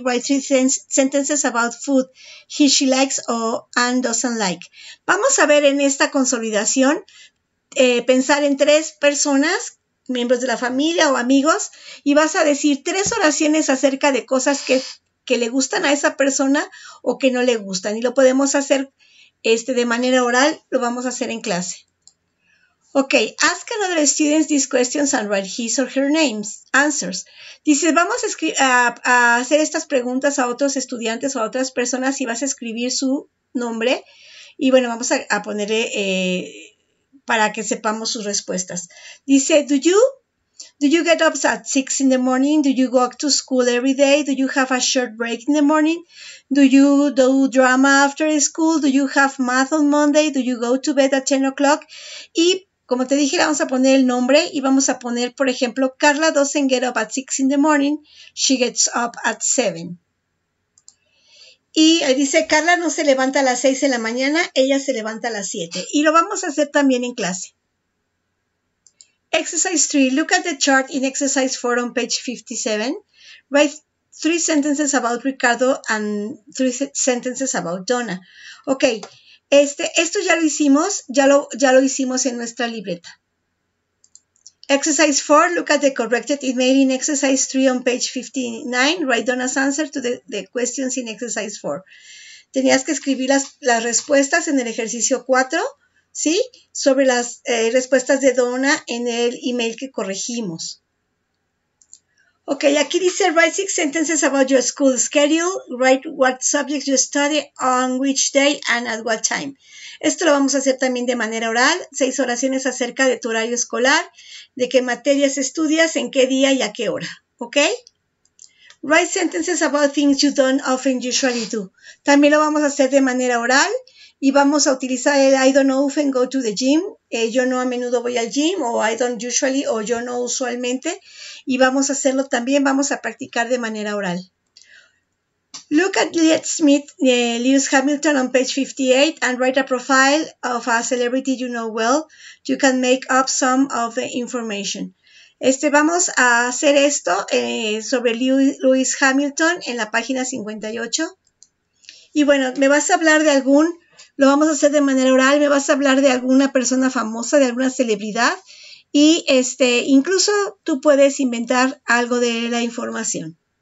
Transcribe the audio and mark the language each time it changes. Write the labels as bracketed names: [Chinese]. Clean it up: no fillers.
[English] Write three sentences about food he, she likes or and doesn't like. [Spanish] Vamos a ver en esta consolidación, pensar en tres personas, miembros de la familia o amigos, y vas a decir tres oraciones acerca de cosas que le gustan a esa persona o que no le gustan. Y lo podemos hacer de manera oral, lo vamos a hacer en clase. Ok, ask another student these questions and write his or her names, answers. Dice, vamos a hacer estas preguntas a otros estudiantes o a otras personas y vas a escribir su nombre. Y bueno, vamos a ponerle para que sepamos sus respuestas. [English] Dice, do you get up at 6 in the morning? Do you go to school every day? Do you have a short break in the morning? Do you do drama after school? Do you have math on Monday? Do you go to bed at 10 o'clock? [Spanish] Y como te dije, vamos a poner el nombre y vamos a poner, por ejemplo, [English] Carla doesn't get up at 6 in the morning. She gets up at 7. [Spanish] Y dice, Carla no se levanta a las 6 de la mañana, ella se levanta a las 7. Y lo vamos a hacer también en clase. [English] Exercise 3. Look at the chart in exercise 4 on page 57. Write 3 sentences about Ricardo and 3 sentences about Donna. Ok. [Spanish] Esto ya lo hicimos, ya lo hicimos en nuestra libreta. [English] Exercise 4, look at the corrected email in exercise 3 on page 59. Write Donna's answer to the questions in exercise 4. [Spanish] Tenías que escribir las respuestas en el ejercicio 4, ¿sí? Sobre las respuestas de Donna en el email que corregimos. [English] Ok, [Spanish] aquí dice, [English] write 6 sentences about your school schedule. Write what subjects you study on which day and at what time. [Spanish] Esto lo vamos a hacer también de manera oral. 6 oraciones acerca de tu horario escolar, de qué materias estudias, en qué día y a qué hora. [English] Ok. Write sentences about things you don't often usually do. [Spanish] También lo vamos a hacer de manera oral. y vamos a utilizar el [English] I don't often go to the gym, [Spanish] yo no a menudo voy al gym, o [English] I don't usually, [Spanish] o yo no usualmente, y vamos a hacerlo también, vamos a practicar de manera oral. [English] Look at Lewis Smith, Lewis Hamilton on page 58 and write a profile of a celebrity you know well. You can make up some of the information. [Spanish] Vamos a hacer esto sobre Lewis Hamilton en la página 58. Y bueno, me vas a hablar de algún, lo vamos a hacer de manera oral, me vas a hablar de alguna persona famosa, de alguna celebridad. Y incluso tú puedes inventar algo de la información.